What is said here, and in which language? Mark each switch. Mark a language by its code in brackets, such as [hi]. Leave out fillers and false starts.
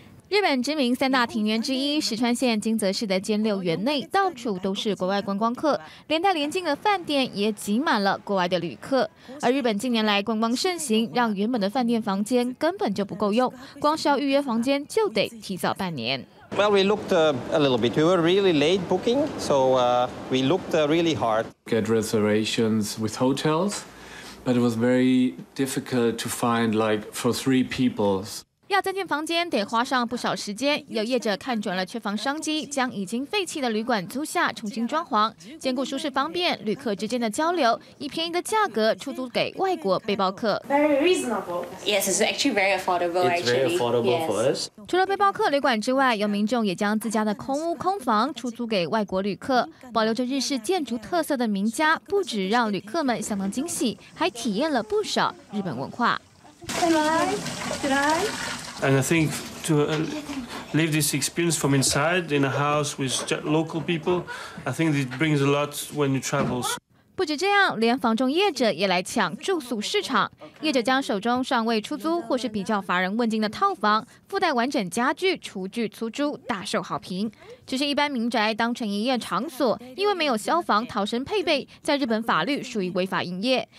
[zh] 日本知名三大庭园之一石川县金泽市的兼六园内到处都是国外观光客，连带连进的饭店也挤满了国外的旅客。而日本近年来观光盛行，让原本的饭店房间根本就不够用，光是要预约房间就得提早半年。 [en] Well, we looked a little bit. We were really late booking, so we looked really hard. Get reservations with hotels, but it was very difficult to find like for three people. [zh] 要增建房间得花上不少时间，有业者看准了缺房商机，将已经废弃的旅馆租下重新装潢，兼顾舒适方便旅客之间的交流，以便宜的价格出租给外国背包客。 [en] Yes, it's actually very affordable. It's very affordable for us. [zh] 除了背包客旅馆之外，有民众也将自家的空屋空房出租给外国旅客。保留着日式建筑特色的名家，不止让旅客们相当惊喜，还体验了不少日本文化。 [en] And I think to live this experience from inside in a house with local people, I think it brings a lot when you travel. [zh] 不止这样，连房仲业者也来抢住宿市场。业者将手中尚未出租或是比较乏人问津的套房，附带完整家具、厨具出租，大受好评。只是一般民宅当成营业场所，因为没有消防逃生配备，在日本法律属于违法营业。